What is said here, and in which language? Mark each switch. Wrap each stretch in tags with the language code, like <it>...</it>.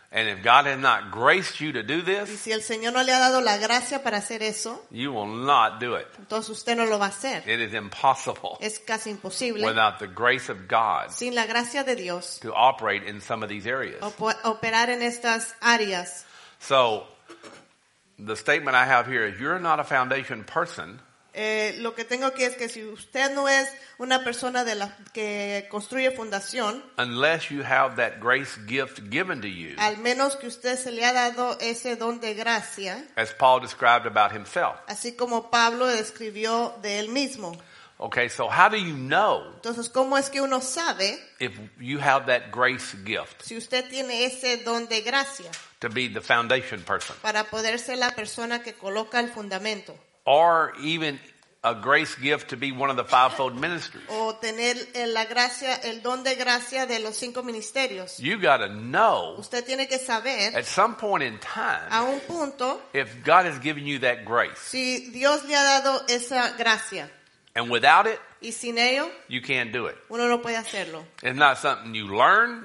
<en>And if God has not graced you to do this,</en> <es>y si el Señor no le ha dado la gracia para hacer eso,</es> <en>you will not do it.</en> <es>Entonces usted no lo va a hacer.</es> <en>It is impossible.</en> <es>Es casi imposible.</es> <en>Without the grace of God.</en> <es>Sin la gracia de Dios.</es> <en>To operate in some of these areas.</en> <es>Operar en estas áreas.</es> <en>So, the statement I have here is, you're not a foundation person.</en> <es>Lo que tengo aquí es que si usted no es una persona de la que construye fundación,</es> <en>unless you have that grace gift given to you,</en> <es>al menos que usted se le ha dado ese don de gracia,</es> <en>as Paul described about himself,</en> <es>así como Pablo describió de él mismo.</es> <en>Okay, so how do you know?</en> <es>Entonces, ¿cómo es que uno sabe?</es> <en>If you have that grace gift,</en> <es>si usted tiene ese don de gracia,</es> <en>to be the foundation person,</en> <es>para poder ser la persona que coloca el fundamento.</es> <en>Or even a grace gift to be one of the fivefold ministries.</en> <es>O tener la gracia, el don de gracia de los cinco ministerios.</es> <en>You got to know.</en> <es>Usted tiene que saber.</es> <en>At some point in time.</en> <es>A un punto.</es> <en>If God has given you that grace.</en> <es>Si Dios le ha dado esa gracia.</es> <en>And without it.</en> <es>Y sin ello.</es> <en>You can't do it.</en> <es>Uno no puede hacerlo.</es> <en>It's not something you learn.</en>